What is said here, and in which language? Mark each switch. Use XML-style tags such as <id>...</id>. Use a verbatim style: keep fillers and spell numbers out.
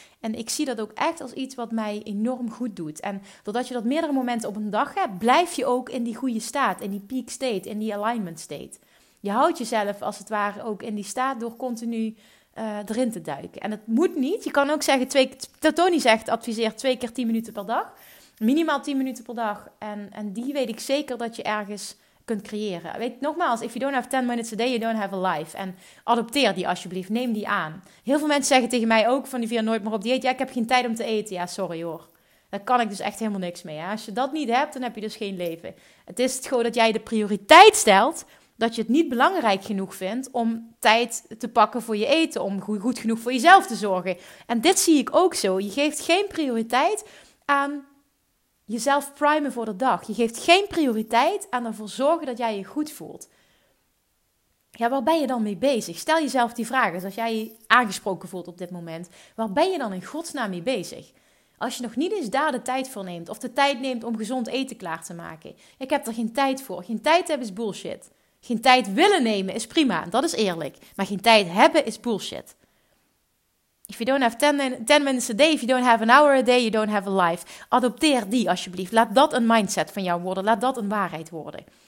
<nl>En ik zie dat ook echt als iets wat mij enorm goed doet. En doordat je dat meerdere momenten op een dag hebt, blijf je ook in die goede staat. In die peak state, in die alignment state. Je houdt jezelf als het ware ook in die staat door continu... uh, erin te duiken. En het moet niet. Je kan ook zeggen, twee, Tony zegt, adviseert twee keer tien minuten per dag. Minimaal tien minuten per dag. En, en die weet ik zeker dat je ergens kunt creëren. Weet, nogmaals,</nl> <en>if you don't have ten minutes a day, you don't have a life.</en> <nl>En adopteer die alsjeblieft. Neem die aan. Heel veel mensen zeggen tegen mij ook van die via nooit meer op dieet. Ja, ik heb geen tijd om te eten. Ja, sorry hoor. Daar kan ik dus echt helemaal niks mee. Hè? Als je dat niet hebt, dan heb je dus geen leven. Het is het gewoon dat jij de prioriteit stelt, dat je het niet belangrijk genoeg vindt om tijd te pakken voor je eten, om goed, goed genoeg voor jezelf te zorgen. En dit zie ik ook zo. Je geeft geen prioriteit aan jezelf primen voor de dag. Je geeft geen prioriteit aan ervoor zorgen dat jij je goed voelt. Ja, waar ben je dan mee bezig? Stel jezelf die vraag eens, als jij je aangesproken voelt op dit moment. Waar ben je dan in godsnaam mee bezig? Als je nog niet eens daar de tijd voor neemt, of de tijd neemt om gezond eten klaar te maken. Ik heb er geen tijd voor. Geen tijd hebben is bullshit. Geen tijd willen nemen is prima, dat is eerlijk. Maar geen tijd hebben is bullshit.</nl> <en>If you don't have ten minutes a day, if you don't have an hour a day, you don't have a life.</en> <nl>Adopteer die alsjeblieft. Laat dat een mindset van jou worden. Laat dat een waarheid worden.</nl>